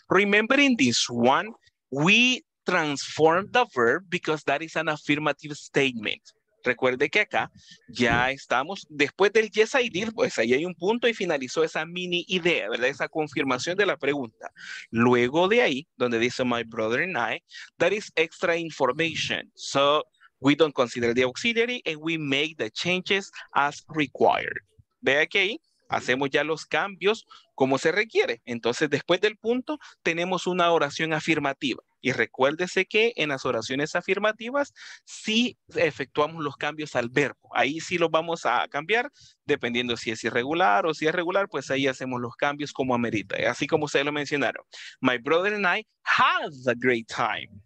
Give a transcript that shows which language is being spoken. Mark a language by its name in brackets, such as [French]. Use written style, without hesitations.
[English] Remember in this one, we transform the verb because that is an affirmative statement. [Spanish] Recuerde que acá ya estamos, después del yes I did, pues ahí hay un punto y finalizó esa mini idea, ¿verdad? Esa confirmación de la pregunta. Luego de ahí, donde dice my brother and I, that is extra information. [English] So we don't consider the auxiliary and we make the changes as required. [Spanish] Vea que ahí hacemos ya los cambios como se requiere. Entonces después del punto tenemos una oración afirmativa. Y recuérdese que en las oraciones afirmativas sí efectuamos los cambios al verbo. Ahí sí los vamos a cambiar, dependiendo si es irregular o si es regular, pues ahí hacemos los cambios como amerita. Así como ustedes lo mencionaron. [English] My brother and I had a great time.